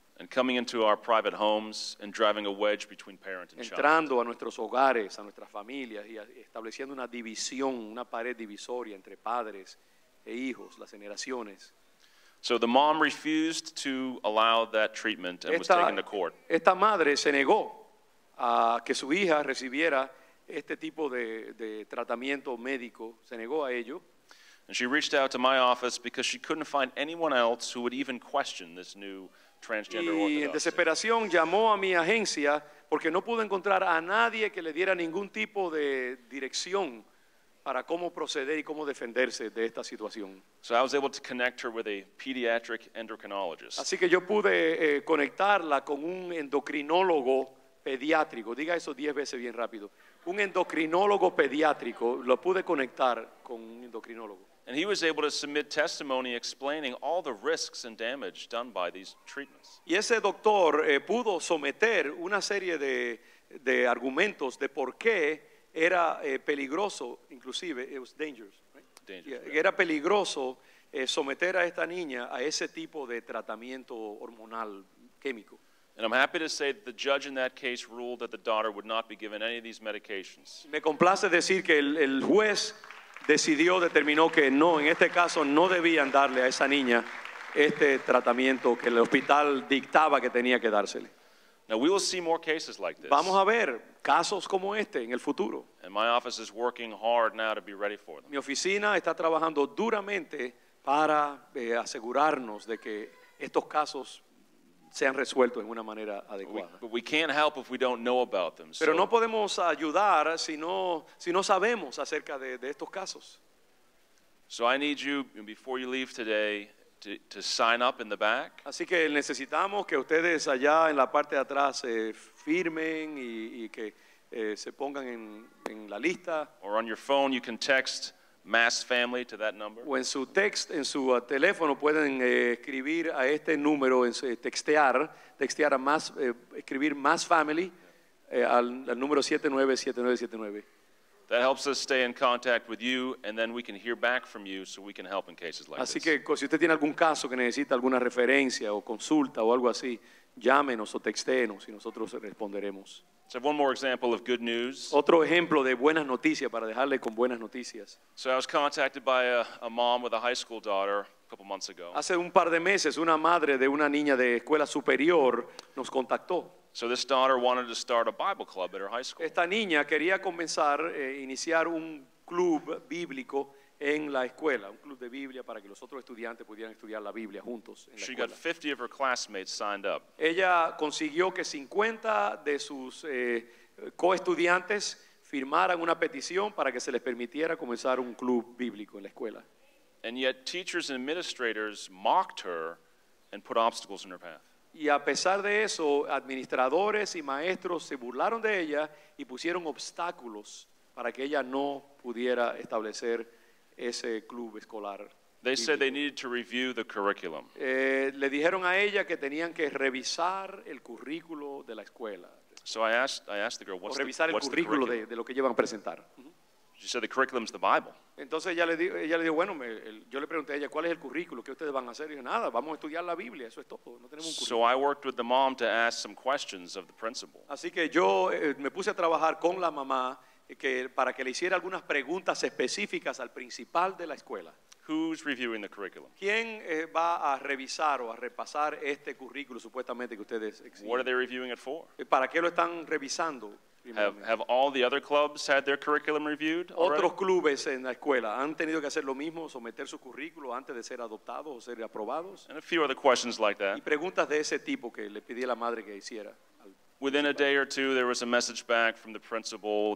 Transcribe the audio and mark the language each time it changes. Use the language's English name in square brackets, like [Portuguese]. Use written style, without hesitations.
[English] And coming into our private homes and driving a wedge between parent and child. [Spanish] Entrando a nuestros hogares, a nuestras familias, y estableciendo una división, una pared divisoria entre padres e hijos, las generaciones. [English] So the mom refused to allow that treatment and was taken to court. [Spanish] Esta madre se negó a que su hija recibiera este tipo de tratamiento médico, se negó a ello. [English] And she reached out to my office because she couldn't find anyone else who would even question this new transgender orthodoxy. [Spanish] Y en desesperación llamó a mi agencia porque no pudo encontrar a nadie que le diera ningún tipo de dirección para cómo proceder y cómo defenderse de esta situación. [English] So I was able to connect her with a pediatric endocrinologist. [Spanish] Así que yo pude conectarla con un endocrinólogo pediátrico. Diga eso 10 veces bien rápido. Un endocrinólogo pediátrico, lo pude conectar con un endocrinólogo. [English] And he was able to submit testimony explaining all the risks and damage done by these treatments. [Spanish] Y ese doctor pudo someter una serie de argumentos de por qué era peligroso, inclusive, [English] it was dangerous, right? Dangerous, yeah. [Spanish] Era peligroso someter a esta niña a ese tipo de tratamiento hormonal químico. [English] And I'm happy to say that the judge in that case ruled that the daughter would not be given any of these medications. [Spanish] Me complace decir que el juez decidió, determinó que no, en este caso no debían darle a esa niña este tratamiento que el hospital dictaba que tenía que dársele. [English] Now we will see more cases like this. [Spanish] Vamos a ver casos como este en el futuro. [English] And my office is working hard now to be ready for them. [Spanish] Mi oficina está trabajando duramente para asegurarnos de que estos casos sean resueltos en una manera adecuada. [English] But we can't help if we don't know about them. [Spanish] Pero no podemos ayudar si no sabemos acerca de estos casos. [English] So I need you, before you leave today, to sign up in the back. [Spanish] Así que necesitamos que ustedes allá en la parte de atrás se firmen y que se pongan en la lista. [English] Or on your phone, you can text Mass Family to that number. [Spanish] O en su text, en su teléfono, pueden escribir a este número, textear a Mass, escribir Mass Family al número 797979. [English] That helps us stay in contact with you, and then we can hear back from you so we can help in cases like this. [Spanish] Así que si usted tiene algún caso que necesita alguna referencia o consulta o algo así, llámenos o textéenos y nosotros responderemos. [English] So one more example of good news. [Spanish] Otro ejemplo de buenas noticias para dejarle con buenas noticias. [English] So I was contacted by a mom with a high school daughter a couple months ago. [Spanish] Hace un par de meses, una madre de una niña de escuela superior nos contactó. [English] So this daughter wanted to start a Bible club at her high school. [Spanish] Esta niña quería comenzar iniciar un club bíblico en la escuela, un club de Biblia para que los otros estudiantes pudieran estudiar la Biblia juntos en la escuela. [English] She got 50 of her classmates signed up. [Spanish] Ella consiguió que 50 de sus coestudiantes firmaran una petición para que se les permitiera comenzar un club bíblico en la escuela. [English] And yet teachers and administrators mocked her and put obstacles in her path. [Spanish] Y a pesar de eso, administradores y maestros se burlaron de ella y pusieron obstáculos para que ella no pudiera establecer ese club escolar. [English] They said they needed to review the curriculum. [Spanish] Le dijeron a ella que tenían que revisar el currículo de la escuela. [English] So I asked the girl, what's [Spanish] revisar [English] the, [Spanish] el currículo de lo que llevan a presentar. [English] She said the curriculum is the Bible. [Spanish] Entonces ella le dijo, bueno, yo le pregunté a ella, ¿cuál es el currículo? ¿Qué ustedes van a hacer? Y dijo, nada, vamos a estudiar la Biblia, eso es todo, no tenemos un currículo. [English] So I worked with the mom to ask some questions of the principal. [Spanish] Así que yo me puse a trabajar con la mamá para que le hiciera algunas preguntas específicas al principal de la escuela. [English] Who's reviewing the curriculum? [Spanish] ¿Quién va a revisar o a repasar este currículo supuestamente que ustedes exigen? [English] What are they reviewing it for? [Spanish] ¿Para qué lo están revisando? [English] Have all the other clubs had their curriculum reviewed? [Spanish] Otros clubes en la escuela han tenido que hacer lo mismo, someter su currículo antes de ser adoptados o ser aprobados. [English] And a few other questions like that. [Spanish] Y preguntas de ese tipo que le pedí a la madre que hiciera. [English] Within a day or two, there was a message back from the principal.